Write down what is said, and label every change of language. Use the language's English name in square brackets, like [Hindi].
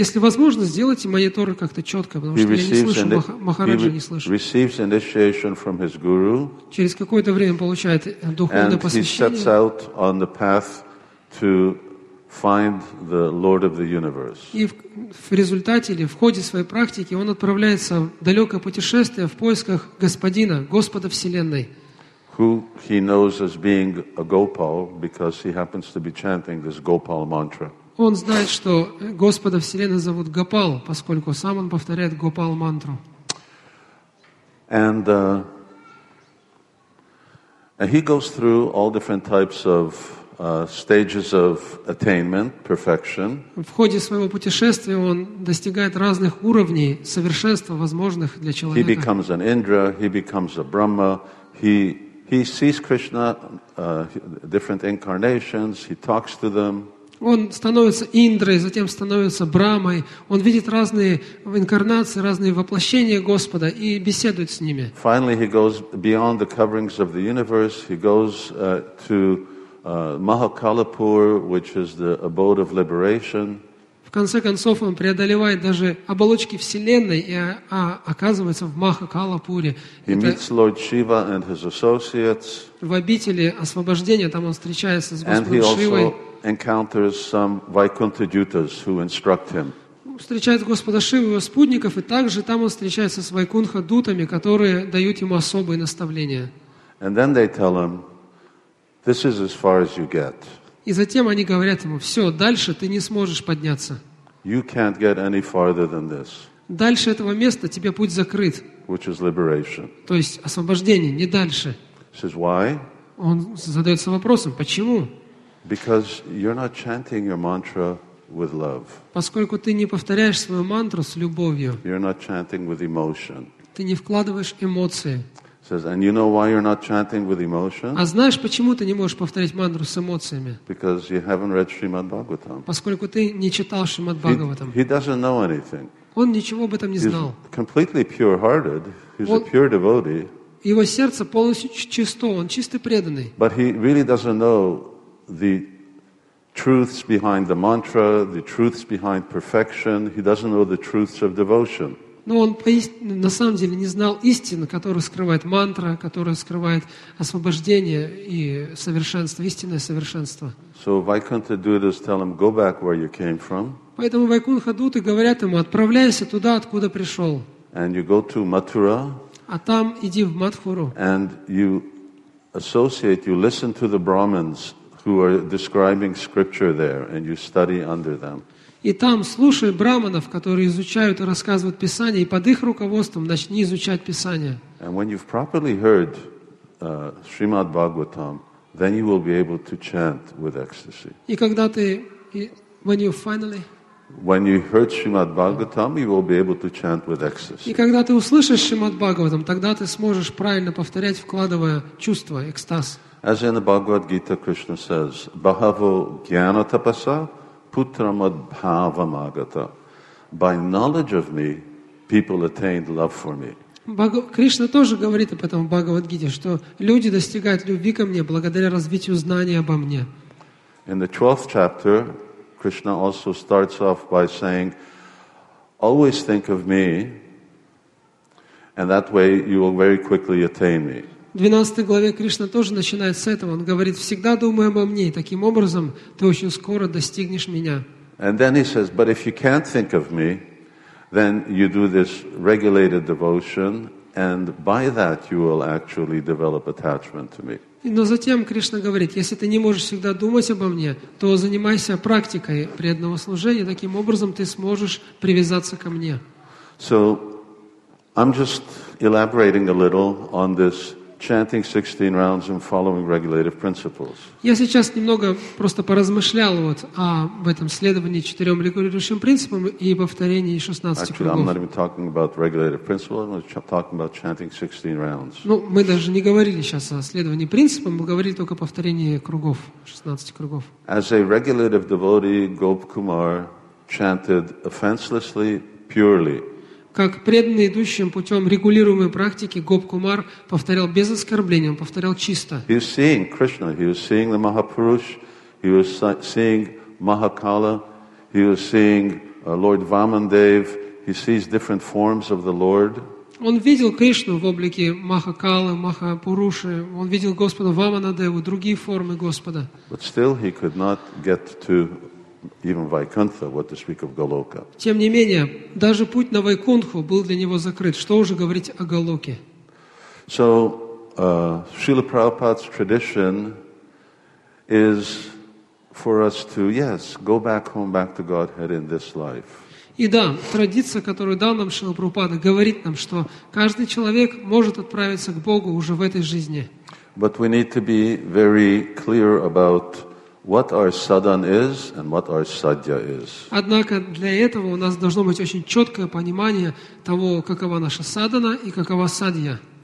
[Russian] Если возможно, сделайте мои торы как-то четко, потому что я не слышу, Махараджа не слышу. Через какое-то время получает духовное посвящение. [English] And he sets out on the path to find the Lord of the universe. [Russian] И в результате или в ходе своей практики он отправляется в далекое путешествие в поисках Господина, Господа Вселенной. [English] Who he knows as being a Gopal because he happens to be chanting this Gopal mantra. [Russian] Он знает, что Господа Вселенной зовут Гопал, поскольку сам он повторяет Гопал мантру. [English] And he goes through all different types of stages of attainment, perfection. [Russian] В ходе своего путешествия он достигает разных уровней совершенства, возможных для человека. [English] He becomes an Indra, he becomes a Brahma, he sees Krishna different incarnations, he talks to them. [Russian] Он становится Индрой, затем становится Брамой. Он видит разные инкарнации, разные воплощения Господа и беседует с ними. [English] Finally, he goes beyond the coverings of the universe. He goes to Mahakalapur, which is the abode of liberation. [Russian] В конце концов, он преодолевает даже оболочки Вселенной и оказывается в Махакалапуре. [English] He meets Lord Shiva and his associates. [Russian] В обители освобождения там он встречается с Господом Шивой. [English] And he also encounters some Vaikuntha Dutas who instruct him. [Russian] Встречает Господа Шиву и его спутников, и также там он встречается с Вайкунха Дутами, которые дают ему особые наставления. [English] And then they tell him, this is as far as you get. [Russian] И затем они говорят ему, все, дальше ты не сможешь подняться. [English] You can't get any farther than this. [Russian] Дальше этого места тебе путь закрыт. [English] Which is liberation. [Russian] То есть освобождение, не дальше. [English] Says why? [Russian] Он задается вопросом, почему? [English] Because you're not chanting your mantra with love. [Russian] Поскольку ты не повторяешь свою мантру с любовью. [English] You're not chanting with emotion. [Russian] Ты не вкладываешь эмоции. [English] Says, and you know why you're not chanting with emotion? [Russian] А знаешь, почему ты не можешь повторять мантру с эмоциями? [English] Because you haven't read Srimad Bhagavatam. [Russian] Поскольку ты не читал Шримад Бхагаватам. [English] He doesn't know anything. [Russian] Он ничего об этом не знал. [English] He's completely pure-hearted. He's a pure devotee. [Russian] Его сердце полностью чисто. Он чистый преданный. [English] But he really doesn't know the truths behind the mantra, the truths behind perfection. He doesn't know the truths of devotion. [Russian] Но он на самом деле не знал истины, которую скрывает мантра, которая скрывает освобождение и совершенство, истинное совершенство. [English] So Vaikuntha Dutas tell him, go back where you came from. [Russian] Поэтому Вайкунтха Дуты говорят ему, отправляйся туда, откуда пришел. [English] And you go to Mathura. [Russian] А там иди в Матхуру. [English] And you associate, you listen to the Brahmins who are describing scripture there, and you study under them. [Russian] И там слушай браманов, которые изучают и рассказывают Писание, и под их руководством начни изучать Писание. [English] And when you've properly heard Srimad Bhagavatam, then you will be able to chant with ecstasy. [Russian] И когда ты, [English] when you finally, when you heard Srimad Bhagavatam, you will be able to chant with ecstasy. [Russian] И когда ты услышишь Шримад Бхагаватам, тогда ты сможешь правильно повторять, вкладывая чувство, экстаз. [English] As in the Bhagavad Gita, Krishna says, [Sanskrit] "Bahavo jnana tapasa." Putramad bhavamagata. [English] By knowledge of me, people attained love for me. [Russian] Кришна тоже говорит об этом в Бхагавадгите, что люди достигают любви ко мне благодаря развитию знания обо мне. [English] In the 12th chapter, Krishna also starts off by saying, always think of me, and that way you will very quickly attain me. [Russian] В 12 главе Кришна тоже начинает с этого. Он говорит, всегда думай обо мне, и таким образом ты очень скоро достигнешь меня. [English] And then he says, but if you can't think of me, then you do this regulated devotion, and by that you will actually develop attachment to me. [Russian] Но затем Кришна говорит, если ты не можешь всегда думать обо мне, то занимайся практикой преданного служения, таким образом ты сможешь привязаться ко мне. [English] So, I'm just elaborating a little on this chanting 16 rounds and following regulative principles. [Russian] Я сейчас немного просто поразмышлял вот об этом следовании четырем регулирующим принципам и повторении 16 кругов. [English] Actually, I'm not even talking about regulative principles. I'm talking about chanting 16 rounds. [Russian] Ну, мы даже не говорили сейчас о следовании принципам, мы говорили только о повторении кругов, 16 кругов. [English] As a regulative devotee, Gop Kumar chanted offenselessly, purely. [Russian] Как преданный идущим путем регулируемой практики, Гоп Кумар повторял без оскорблений, он повторял чисто. [English] He was seeing Krishna, he was seeing the Mahapurush, he was seeing Mahakala, he was seeing Lord Vamandev, he sees different forms of the Lord. [Russian] Он видел Кришну в облике Махакалы, Махапуруши, он видел Господа Ваманадеву, другие формы Господа. [English] But still he could not get to even Vaikuntha, what to speak of Goloka. [Russian] Тем не менее, даже путь на Вайкунтху был для него закрыт. Что уже говорить о Голоке? [English] So, Srila Prabhupada's tradition is for us to, yes, go back home, back to Godhead in this life. [Russian] И да, традиция, которую дал нам Шрила Прабхупада, говорит нам, что каждый человек может отправиться к Богу уже в этой жизни. [English] But we need to be very clear about what our sadhan is and what our sadhya is. [Russian] Однако для этого у нас должно быть очень четкое понимание того, какова наша садхана и какова садья.